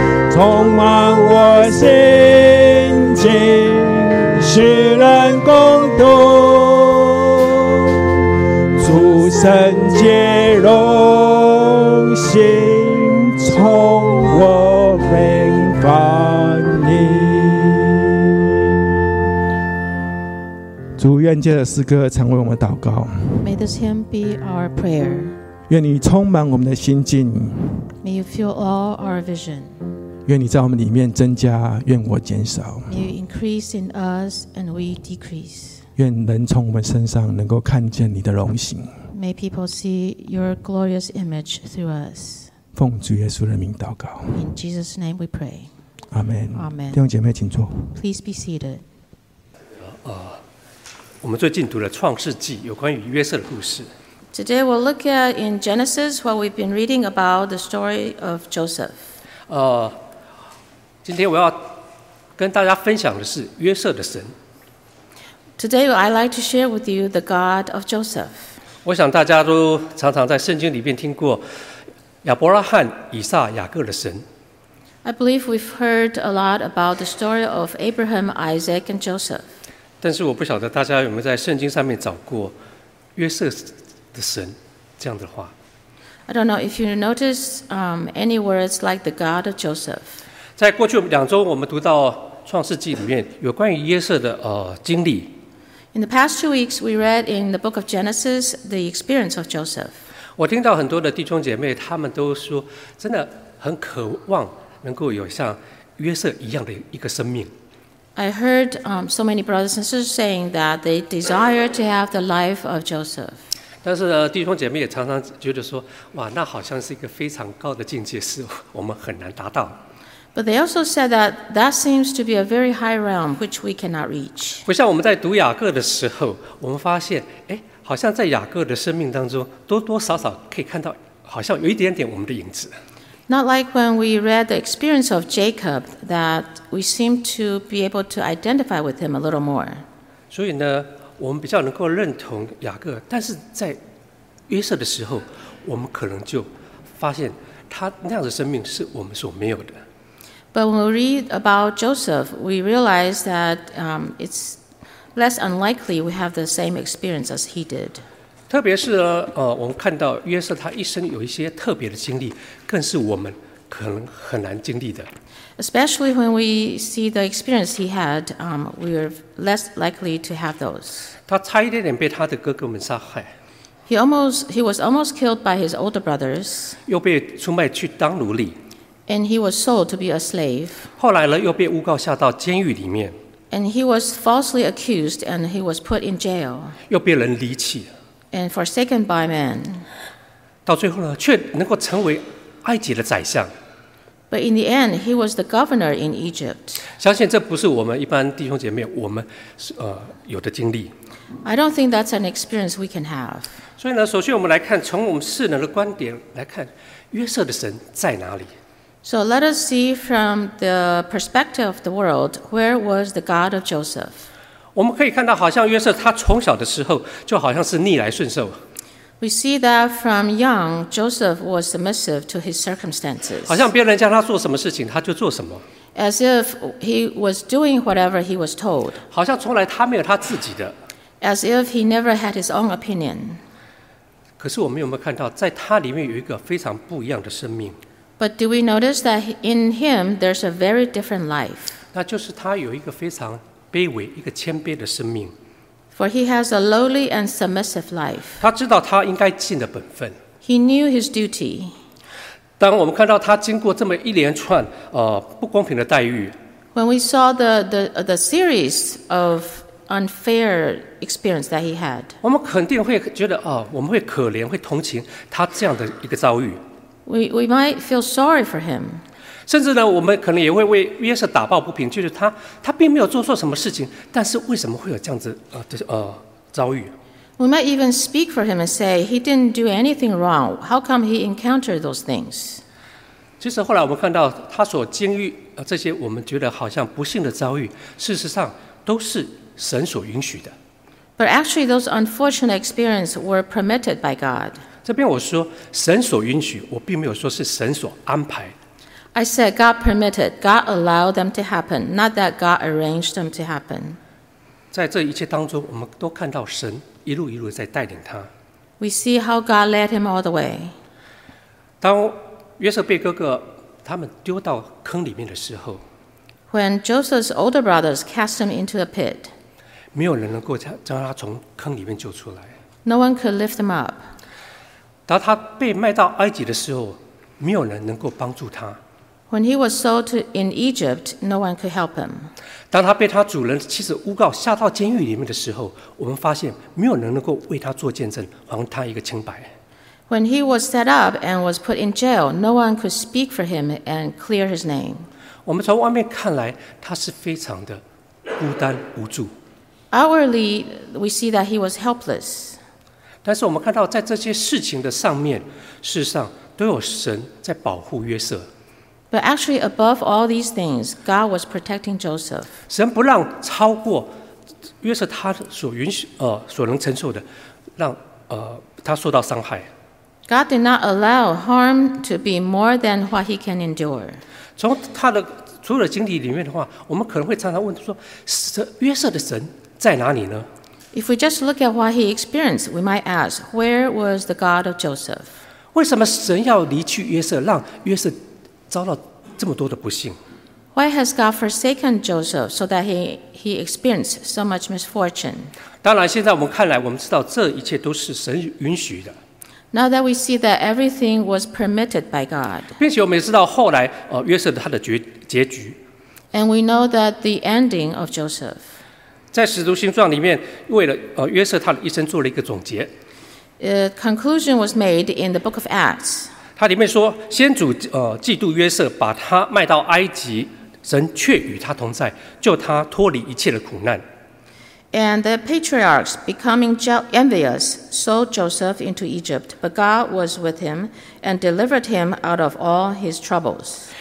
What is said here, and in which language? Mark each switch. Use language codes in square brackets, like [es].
[zh] 充满我心境，使人共度，主圣洁荣心从我灵反应。主，愿这诗歌成为我们祷告。 [en] May this hymn be our prayer. [zh] 愿你充满我们的心境。 [en] May you fill all our vision. [zh] 愿你在我们里面增加，愿我减少。 [en] May you increase in us and we decrease. [zh] 愿人从我们身上能够看见你的荣形。 [en] May people see your glorious image through us. [zh] 奉主耶稣的名祷告。 [en] In Jesus' name we pray. Amen. Amen. [zh] 弟兄姐妹，请坐。 [en] Please be seated. [zh] 我们最近读了《创世纪》有关于约瑟的故事。 [en] Today we'll look at in Genesis what we've been reading about the story of Joseph. [zh] 今天我要跟大家分享的是约瑟的神。 [en] Today I'd like to share with you the God of Joseph. [zh] 我想大家都常常在圣经里面听过。亚伯拉罕、以撒、雅各的神。 [en] I believe we've heard a lot about the story of Abraham, Isaac, and Joseph. [zh] 但是我不晓得大家有没有在圣经上面找过约瑟的神这样的话。 [en] I don't know if you notice any words like the God of Joseph. [zh] 在过去两周，我们读到创世纪里面有关于约瑟的经历。 [en] In the past 2 weeks, we read in the book of Genesis the experience of Joseph. [zh] 我听到很多的弟兄姐妹，他们都说，真的很渴望能够有像约瑟一样的一个生命。 [en] I heard so many brothers and sisters saying that they desire to have the life of Joseph. [zh] 但是弟兄姐妹也常常觉得说，哇，那好像是一个非常高的境界，是我们很难达到。 [en] But they also said that that seems to be a very high realm which we cannot reach. [zh] 不像我们在读雅各的时候，我们发现，好像在雅各的生命当中，多多少少可以看到，好像有一点点我们的影子。 [en] Not like when we read the experience of Jacob, that we seem to be able to identify with him a little more. [zh] 所以呢，我们比较能够认同雅各，但是在约瑟的时候，我们可能就发现他那样的生命是我们所没有的。 [en] But when we read about Joseph, we realize that it'sLess unlikely we have the same experience as he did. [zh] 特别是我们看到约瑟他一生有一些特别的经历，更是我们可能很难经历的。 [en] Especially when we see the experience he had, we are less likely to have those. [zh] 他差一点点被他的哥哥们杀害。 [en] He was almost killed by his older brothers. [zh] 又被出卖去当奴隶。 [en] And he was sold to be a slave. [zh] 后来呢，又被诬告下到监狱里面。 [en] And he was falsely accused, and he was put in jail. [zh] 又被人离弃。 [en] And forsaken by man. [zh] 到最后呢，却能够成为埃及的宰相。 [en] But in the end, he was the governor in Egypt. [zh] 相信这不是我们一般弟兄姐妹我们有的经历。 [en] I don't think that's an experience we can have. [zh] 所以呢，首先我们来看，从我们世人的观点来看，约瑟的神在哪里？ [en] So let us see from the perspective of the world, where was the God of Joseph? [zh] 我们可以看到，好像约瑟他从小的时候就好像是逆来顺受。 [en] We see that from young, Joseph was submissive to his circumstances. [zh] 好像别人叫他做什么事情，他就做什么。 [en] As if he was doing whatever he was told. [zh] 好像从来他没有他自己的。 [en] As if he never had his own opinion. [zh] 可是我们有没有看到，在他里面有一个非常不一样的生命？ [en] But do we notice that in him there's a very different life? [zh] 那就是他有一个非常卑微、一个谦卑的生命。 [en] For he has a lowly and submissive life. [zh] 他知道他应该尽的本分。 [en] He knew his duty. [zh] 当我们看到他经过这么一连串不公平的待遇。 [en] When we saw the series of unfair experience that he had. [zh] 我们肯定会觉得我们会可怜、会同情他这样的一个遭遇。 [en] We might feel sorry for him. [zh] 甚至呢，我们可能也会为约瑟打抱不平，就是他并没有做错什么事情，但是为什么会有这样子遭遇 [en] ？We might even speak for him and say he didn't do anything wrong. How come he encountered those things? [zh] 其实后来我们看到他所经历这些我们觉得好像不幸的遭遇，事实上都是神所允许的。 [en] But actually, those unfortunate experiences were permitted by God. [zh] 这边我说神所允许，我并没有说是神所安排。 [en] I said God permitted, God allowed them to happen, not that God arranged them to happen. [zh] 在这一切当中，我们都看到神一路一路在带领他。 [en] We see how God led him all the way. [zh] 当约瑟被哥哥他们丢到坑里面的时候 [en] ，When Joseph's older brothers cast him into a pit. [zh] 没有人能够将他从坑里面救出来。 [en] No one could lift him up. [zh] 当他被卖到埃及的时候，没有人能够帮助他。 [en] When he was sold to in Egypt, no one could help him. [zh] 当他被他主人妻子诬告下到监狱里面的时候，我们发现没有人能够为他做见证，还他一个清白。 [en] When he was set up and was put in jail, no one could speak for him and clear his name. [zh] 我们从外面看来，他是非常的孤单无助。 [en] Hourly, we see that he was helpless. [zh] 但是我们看到，在这些事情的上面，事实上都有神在保护约瑟。 [en] But actually, above all these things, God was protecting Joseph. [zh] 神不让超过约瑟他所允许所能承受的，让他受到伤害。 [en] God did not allow harm to be more than what he can endure. [zh] 从他的所有的经历里面的话，我们可能会常常问说：约瑟的神在哪里呢？ [en] If we just look at what he experienced, we might ask, where was the God of Joseph? [zh] 为什么神要离去约瑟，让约瑟遭到这么多的不幸？ [en] Why has God forsaken Joseph so that he experienced so much misfortune? [zh] 当然，现在我们看来，我们知道这一切都是神允许的。 [en] Now that we see that everything was permitted by God. [zh] 并且我们也知道后来约瑟他的结局。 [en] And we know that the ending of Joseph. [zh] 在使徒行传里面，为了约瑟他的一生做了一个总结。 [en] Conclusion was made in the book of Acts. [zh] 他里面说，先祖嫉妒约瑟，把他卖到埃及，神却与他同在，救他脱离一切的苦难。 [en] And the patriarchs, becoming envious, sold Joseph into Egypt. But God was with him and delivered him out of all his troubles.